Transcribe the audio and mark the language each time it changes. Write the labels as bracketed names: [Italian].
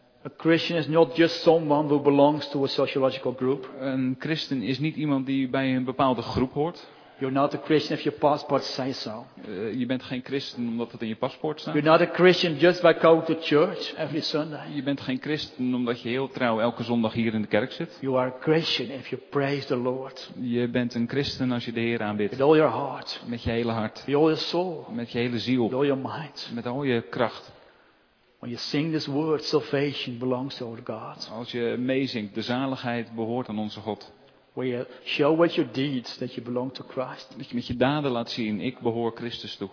[English] A Christian is not just someone who belongs to a sociological group. [Dutch] Een christen is niet iemand die bij een bepaalde groep hoort. [English] You're not a Christian if your passport says so. [Dutch] Je bent geen christen omdat het in je paspoort staat. [English] You're not a Christian just by going to church every Sunday. [Dutch] Je bent geen christen omdat je heel trouw elke zondag hier in de kerk zit. [English] You are a Christian if you praise the Lord. [Dutch] Je bent een christen als je de Heer aanbidt. [English] With all your heart. [Dutch] Met je hele hart. [English] With all your soul. [Dutch] Met je hele ziel. [English] With all your mind. [Dutch] Met al je kracht. [English] When you sing this word, salvation belongs to our God. [Dutch] Als je meezingt, de zaligheid behoort aan onze God. [English] Where you show with your deeds that you belong to Christ. [Dutch] Dat je met je daden laat zien, ik behoor Christus toe.